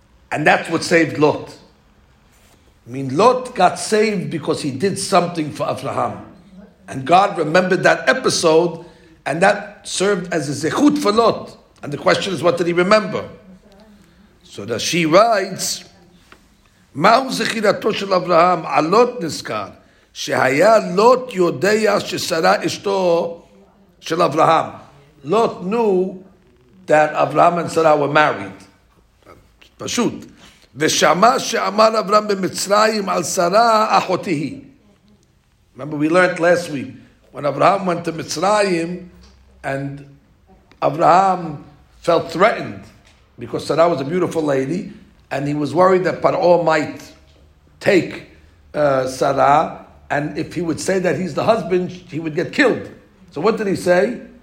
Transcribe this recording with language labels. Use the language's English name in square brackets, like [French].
[English] And that's what saved Lot. I mean, Lot got saved because he did something for Avraham. And God remembered that episode and that served as a zechut for Lot. And the question is, what did he remember? So Rashi writes, [Hebrew] מהו זכירתו של אברהם? הלוט נזכר, שהיה לוט יודע ששרה אשתו של אברהם. [English] לוט knew that אברהם and Sarah were married. [Hebrew] פשוט. ושמע שאמר אברהם במצרים על שרה אחותי היא. [English] Remember we learned last week, when Abraham went to Mitzrayim, and Abraham felt threatened because Sarah was a beautiful lady, and he was worried that Paro might take Sarah, and if he would say that he's the husband, he would get killed. So what did he say?